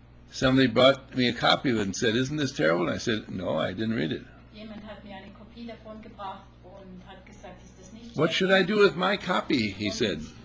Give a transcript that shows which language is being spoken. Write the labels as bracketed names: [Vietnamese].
[English] Somebody brought me a copy of it and said, isn't this terrible? And I said, no, I didn't read it. [German] Jemand hat mir eine Kopie davon gebracht und hat gesagt, ist das nicht. [English] What should I do with my copy, he said.